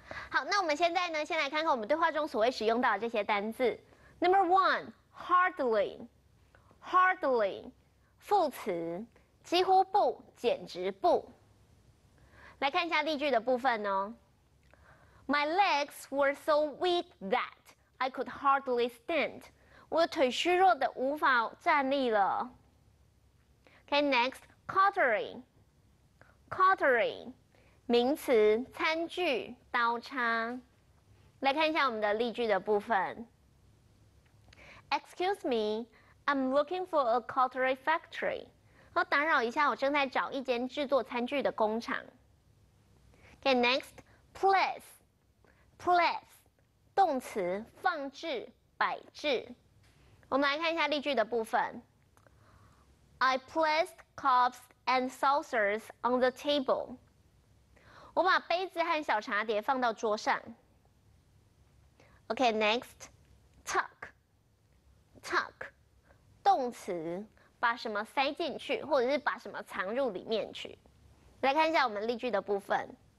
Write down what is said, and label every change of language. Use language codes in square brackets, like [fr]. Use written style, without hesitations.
[zh] 好，那我们现在呢，先来看看我们对话中所谓使用到的这些单字。 [en] Number one, [zh] hardly, 副词，几乎不，简直不。来看一下例句的部分哦。 [en] My legs were so weak that I could hardly stand. [zh] 我的腿虚弱的无法站立了。 Okay, next, cutlery, 名词，餐具。刀叉，来看一下我们的例句的部分。 [en] Excuse me, I'm looking for a cutlery factory. [zh] 我打扰一下，我正在找一间制作餐具的工厂。 Okay, next, place, 动词，放置、摆置。我们来看一下例句的部分。 [en] I placed cups and saucers on the table. [zh] 我把杯子和小茶碟放到桌上。 Okay, next, tuck, 动词，把什么塞进去，或者是把什么藏入里面去。来看一下我们例句的部分。